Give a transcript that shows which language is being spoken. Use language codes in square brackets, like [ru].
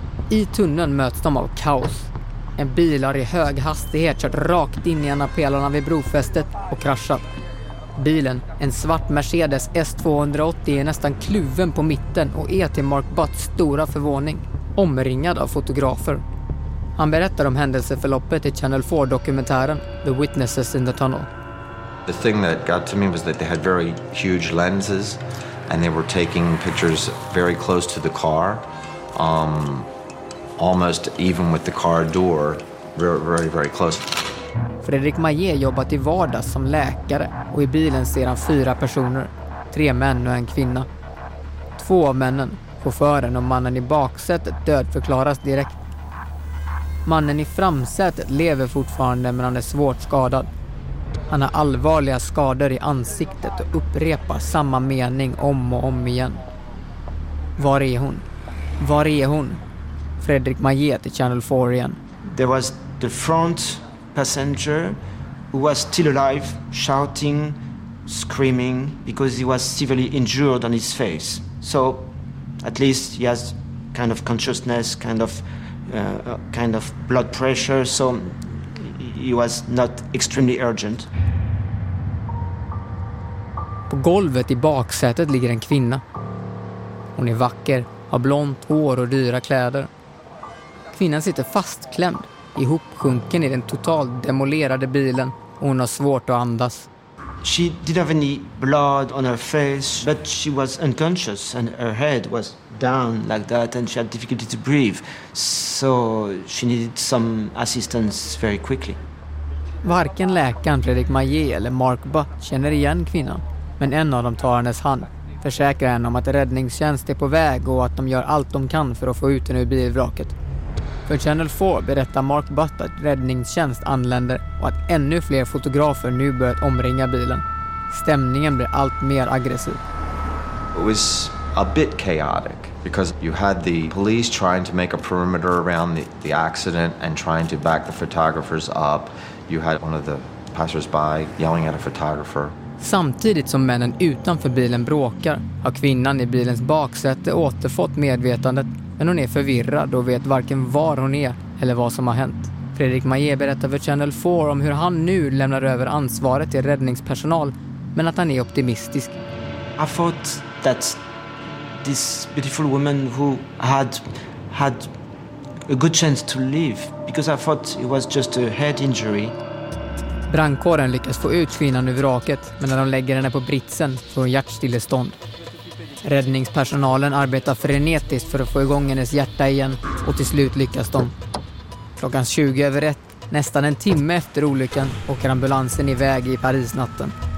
[sv] I tunneln möts de av kaos. En bil har i hög hastighet kört rakt in i en av pelarna vid brofästet och kraschat. Bilen, en svart Mercedes S280, är nästan kluven på mitten och är till Mark Butts stora förvåning, omringad av fotografer. Han berättar om händelseförloppet i Channel 4-dokumentären The Witnesses in the Tunnel. [en] The thing that got to me was that they had very huge lenses and they were taking pictures very close to the car, almost even with the car door, very, very, very close. [sv] Fredrik Maillé jobbat i vardags som läkare och i bilen ser han fyra personer, tre män och en kvinna. Två av männen, chauffören och mannen i baksätet, dödförklaras direkt. Mannen i framsätet lever fortfarande men han är svårt skadad. Han har allvarliga skador i ansiktet och upprepar samma mening om och om igen. Var är hon? Var är hon? Fredrik Maillé till Channel 4 igen. [en] There was the front passenger who was still alive, shouting, screaming, because he was severely injured on his face. So at least he has kind of consciousness, kind of blood pressure, so he was not extremely urgent. [sv] På golvet i baksätet ligger en kvinna. Hon är vacker, har blont hår och dyra kläder. Kvinnan sitter fastklämd, ihopsjunken i den totalt demolerade bilen, och hon har svårt att andas. [en] She didn't have any blood on her face, but she was unconscious and her head was down like that and she had difficulty to breathe. So she needed some assistance very quickly. [sv] Varken läkaren Fredrik Maillé eller Mark Butt känner igen kvinnan, men en av dem tar hennes hand, försäkrar henne om att räddningstjänst är på väg och att de gör allt de kan för att få ut henne ur bilvraket. För Channel 4 berättar Mark Butt att räddningstjänst anländer och att ännu fler fotografer nu börjat omringa bilen. Stämningen blir allt mer aggressiv. [en] It was a bit chaotic because you had the police trying to make a perimeter around the accident and trying to back the photographers up. You had one of the passersby yelling at a photographer. [sv] Samtidigt som männen utanför bilen bråkar har kvinnan i bilens baksäte återfått medvetandet. Men hon är förvirrad och vet varken var hon är eller vad som har hänt. Fredrik Maillé berättar för Channel 4 om hur han nu lämnar över ansvaret till räddningspersonal, men att han är optimistisk. [en] I thought that this beautiful woman who had a good chance to live, because I thought it was just a head injury. [sv] Brandkåren lyckas få ut kvinnan ur vraket, men när de lägger henne på britsen får hon hjärtstillestånd. Räddningspersonalen arbetar frenetiskt för att få igång hennes hjärta igen och till slut lyckas de. Klockan 20:01, nästan en timme efter olyckan, åker ambulansen iväg i Parisnatten.